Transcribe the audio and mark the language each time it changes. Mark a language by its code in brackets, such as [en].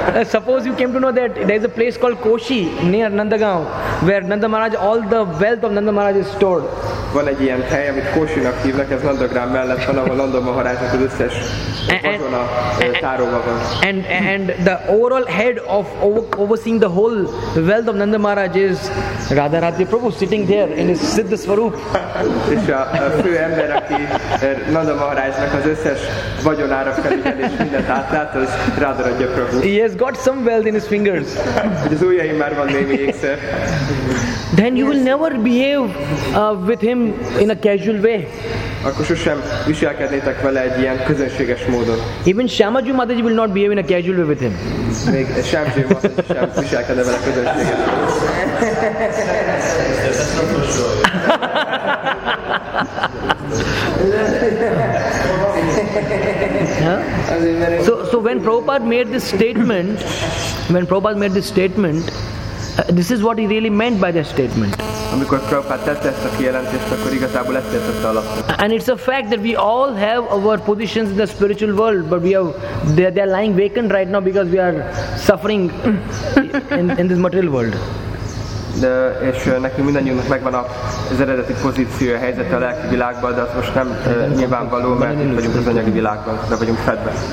[en] Suppose you came to know that there is a place called Koshi near Nandagaon, where Nanda Maharaj, all the wealth of Nanda Maharaj is stored. [hu] Van egy ilyen hely, amit Koshinak hívnak, ez Nandagram mellett van, ahol Nanda Maharajnak az összes vagyona tárolva van. [en] And the overall head of overseeing the whole wealth of Nanda Maharaj is Radha Radha Prabhu sitting there in his Siddha Swarup. [hu] És a fő ember, aki Nanda Maharajnak az összes vagyonára felügyel és mindent átlát, az Radha Radha Prabhu. [en] He has got some wealth in his fingers. [hu] Az ujjaim már van némi ékszer. [en] Then you will never behave with him in a casual way. [hu] Akkor sosem viselkednétek vele egy ilyen közönséges módon. [en] Even Shyamaji Mataji will not behave in a casual way with him. [hu] Még Shyamaji Mataji sem viselkedne vele közönséges módon. [en] So when Prabhupada made this statement, this is what he really meant by that statement. [hu] Amikor Prabhupada tette ezt a kijelentést, akkor igazából ezt értette alapján. [en] And it's a fact that we all have our positions in the spiritual world, but they are lying vacant right now because we are suffering in this material world. [hu] És nekünk mindannyiunknak megvan a az eredeti pozíciója, helyzete a lelki világban, de az most nem nyilvánvaló, mert itt vagyunk az anyagi világban, de vagyunk fedve.